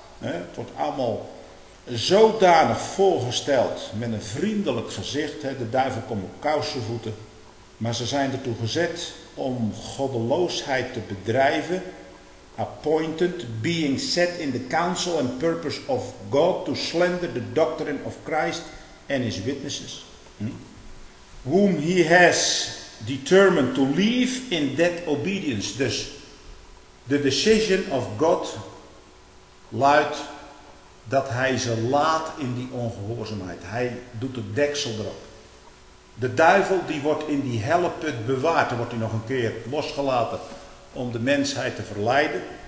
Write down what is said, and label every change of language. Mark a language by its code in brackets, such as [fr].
[nl] Het wordt allemaal zodanig voorgesteld met een vriendelijk gezicht. De duiven komen op kousenvoeten. Maar ze zijn ertoe gezet om goddeloosheid te bedrijven. [en] Appointed, being set in the counsel and purpose of God to slander the doctrine of Christ and his witnesses. Whom he has determined to leave in that obedience. [nl] Dus the decision of God luidt dat hij ze laat in die ongehoorzaamheid. Hij doet het deksel erop. De duivel die wordt in die helleput bewaard. Dan wordt hij nog een keer losgelaten om de mensheid te verleiden.